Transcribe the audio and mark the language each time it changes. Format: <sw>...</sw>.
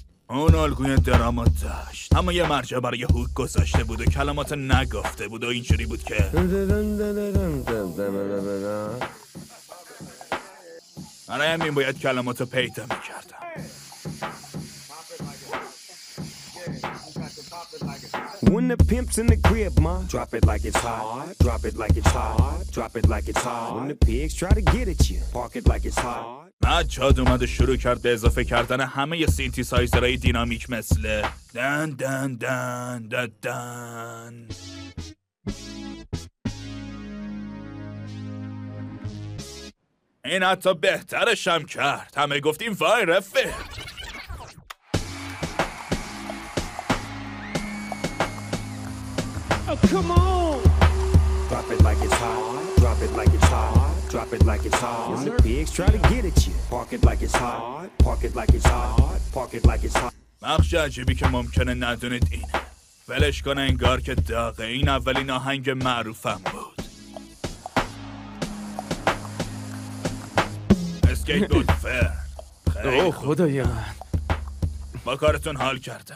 <fa>اون الگوی درامات داشت، اما یه مرجع برای یه هوک گذاشته بود و کلمات نگفته بود و اینجوری بود که برای همین باید کلماتو پیدا میکردم.</fa> <en>When the pimps in the crib, ma, drop it like it's hot, drop it like it's hot, drop it like it's hot. When the pigs try to get at you, park it like it's hot.</en> <fa>مجاد اومد و شروع کرد به اضافه کردن همه ی سینتی سایزرهای دینامیک مثل دن دن دن دن دن. این حتی بهترش هم کرد، همه گفتیم وای رفیق.</fa> <en>Come on. Drop it like it's hot, drop it like it's hot, drop it like it's hot. When the pigs try to get at you, park it like it's hot, park it like it's hot, park it like it's hot.</en> <fa>بخش عجیبی که ممکنه ندونید اینه، ولش کنه انگار که داغه، این اولین آهنگ معروفم بود. اسکیت بود فر. اوه خدای من، با کارتون حال کردم.</fa>